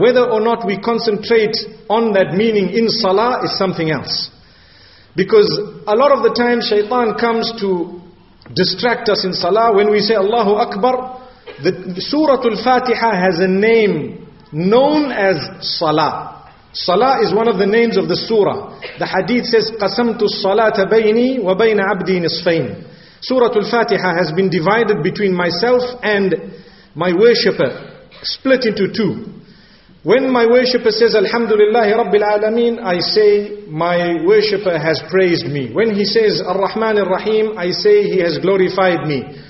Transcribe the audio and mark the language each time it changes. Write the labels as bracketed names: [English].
[English] Whether or not we concentrate on that meaning in salah is something else. Because a lot of the time shaitan comes to distract us in salah. When we say Allahu Akbar, the Surah Al-Fatiha has a name known as salah. Salah is one of the names of the surah. The hadith says, [Arabic] قَسَمْتُ الصَّلَاةَ بَيْنِي وَبَيْنَ عَبْدِي نِصْفَيْنِ. [English] Surah Al-Fatiha has been divided between myself and my worshipper, split into two. When my worshipper says, [Arabic] Alhamdulillahi Rabbil Alameen, [English] I say, my worshipper has praised me. When he says, [Arabic] Ar-Rahman Ar-Rahim, [English] I say, he has glorified me.